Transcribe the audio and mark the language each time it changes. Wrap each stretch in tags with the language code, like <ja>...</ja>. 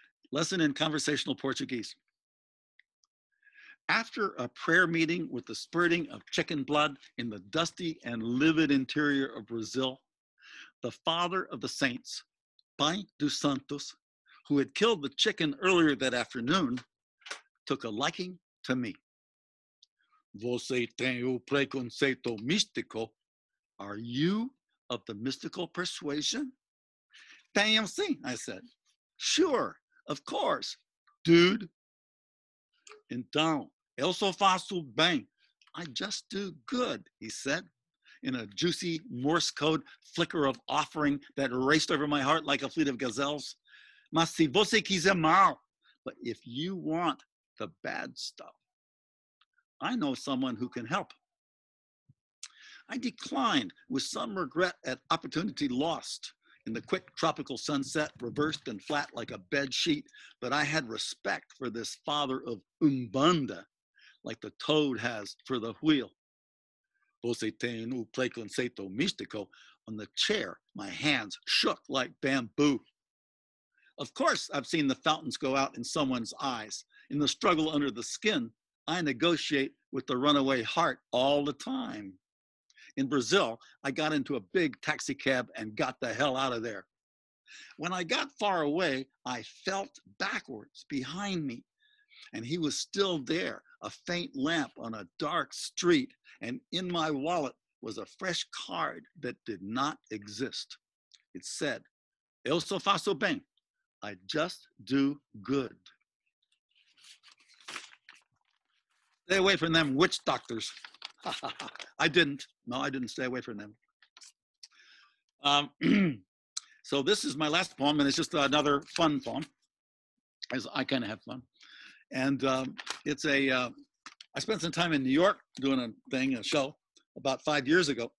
<en>Lesson in Conversational Portuguese. After a prayer meeting with the spurting of chicken blood in the dusty and livid interior of Brazil, the father of the saints, Pai dos Santos, who had killed the chicken earlier that afternoon, took a liking to me.</en> <pt>Você tem o preconceito místico?</pt> <en>Are you of the mystical persuasion?</en> <pt>Tenho sim,</pt> <en>I said. Sure, of course, dude.</en> <pt>Então, eu só faço bem.</pt> <en>I just do good, he said, in a juicy Morse code flicker of offering that raced over my heart like a fleet of gazelles.</en> <pt>Mas se você quiser mal,</pt> <en>but if you want the bad stuff, I know someone who can help. I declined with some regret at opportunity lost in the quick tropical sunset, reversed and flat like a bed sheet, but I had respect for this father of Umbanda, like the toad has for the wheel.</en> <pt>Você tem o preconceito místico?</pt> <en>On the chair, my hands shook like bamboo. Of course, I've seen the fountains go out in someone's eyes. In the struggle under the skin, I negotiate with the runaway heart all the time. In Brazil, I got into a big taxi cab and got the hell out of there. When I got far away, I felt backwards behind me, and he was still there, a faint lamp on a dark street, and in my wallet was a fresh card that did not exist. It said,</en> <pt>Eu só faço bem,</pt> <en>I just do good. Stay away from them witch doctors. I didn't stay away from them. So this is my last poem, and it's just another fun poem, as I kind of have fun. And it's a, I spent some time in New York doing a thing, a show, about 5 years ago.</en>